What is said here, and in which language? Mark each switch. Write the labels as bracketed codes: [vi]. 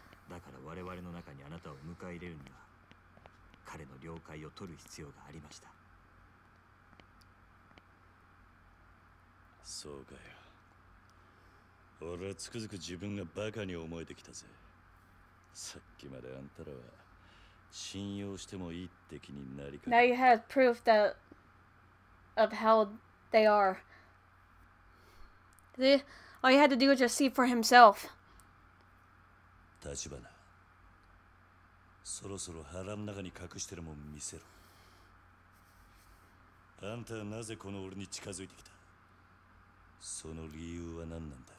[ja] だから我々の中にあなたを迎え入れるには彼の了解を取る必要がありましたそうかよ俺はつくづく自分がバカに思えてきたぜさっきまであんたらは信用してもいいって気になりかけ [en] Now you have proof that of how they are See? All you had to do was just see for himself [ja] 立花、そろそろ腹の中に隠してるもん見せろ。あんたはなぜこの俺に近づいてきた？その理由は何なんだ？